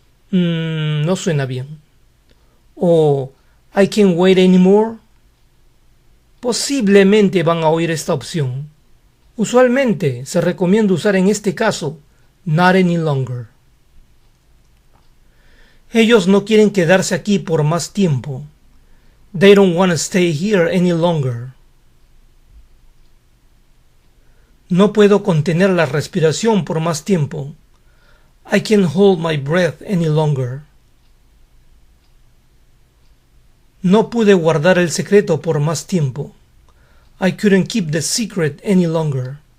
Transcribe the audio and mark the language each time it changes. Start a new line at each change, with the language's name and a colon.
Spanish: No suena bien. ¿O
English: I can't wait anymore?
Spanish: Posiblemente van a oír esta opción. Usualmente se recomienda usar en este caso
English: not any longer.
Spanish: Ellos no quieren quedarse aquí por más tiempo.
English: They don't want to stay here any longer.
Spanish: No puedo contener la respiración por más tiempo.
English: I can't hold my breath any longer.
Spanish: No pude guardar el secreto por más tiempo.
English: I couldn't keep the secret any longer.